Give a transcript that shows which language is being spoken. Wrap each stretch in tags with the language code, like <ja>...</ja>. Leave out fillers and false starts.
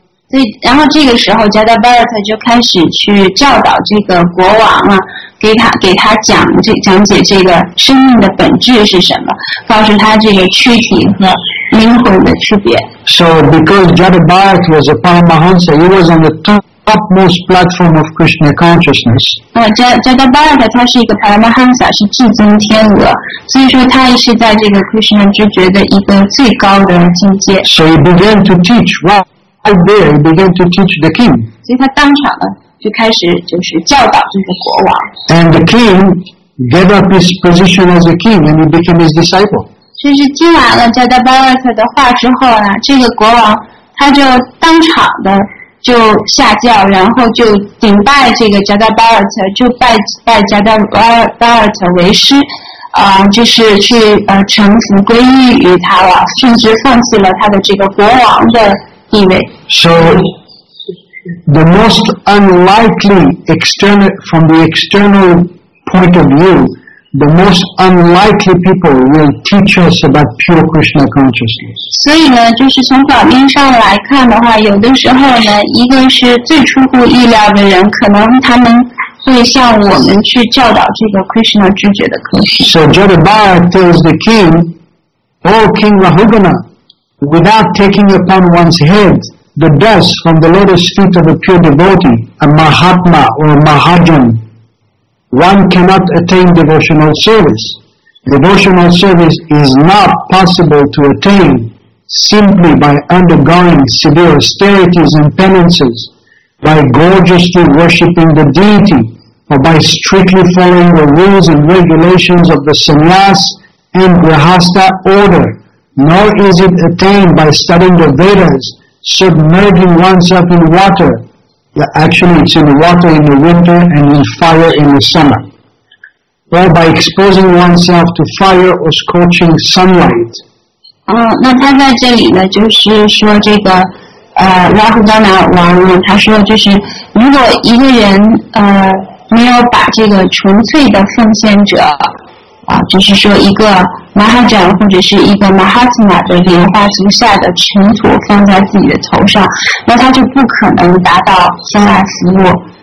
<zh>对，然后这个时候 Jadabharata 就开始去教导这个国王啊，给他讲解这个生命的本质是什么，告诉他这个躯体和灵魂的区别。</zh> <en>So because Jadabharata was a Paramahansa, he was on the topmost platform of Krishna consciousness.</en> <zh>Jadabharata 他是一个 Paramahansa, 是至尊天鹅，所以说他也是在这个 Krishna 知觉的一个最高的境界。</zh> <en>So he began to teach right there, he began to teach the king.</en> <zh>所以他当场了，就开始就是教导这个国王。</zh> <en>And the king gave up his position as a king and he became his disciple.</en> <zh>就是听完了 Jadabharata 的话之后呢，这个国王他就当场的就下轿，然后就顶拜这个 Jadabharata, 就拜 Jadabharata 为师，就是去臣服皈依于他了，甚至放弃了他的这个国王的地位。</zh> <en>So the most unlikely external, from the external point of view, the most unlikely people will teach us about pure Krishna consciousness.</en> <zh>所以呢，就是从表面上来看的话，有的时候呢，一个是最出乎意料的人，可能他们会向我们去教导这个 Krishna 知觉的课。</zh> <en>So Jadabharata tells the king, "Oh, King Rahugana, without taking upon one's head the dust from the lotus feet of a pure devotee, a Mahatma or a Mahajan." One cannot attain devotional service. Devotional service is not possible to attain simply by undergoing severe austerities and penances, by gorgeously worshipping the deity, or by strictly following the rules and regulations of the sannyas and grihastha order. Nor is it attained by studying the Vedas, submerging oneself in water,actually it's in the water in the winter and in fire in the summer, or by exposing oneself to fire or scorching sunlight.</en> <zh>那他在这里呢，就是说这个拉胡达拿王呢，他说就是如果一个人没有把这个纯粹的奉献者就是说一个马哈展或者是一个马哈斯玛的莲花足下的尘土放在自己的头上，那他就不可能达到三大福禄。</zh>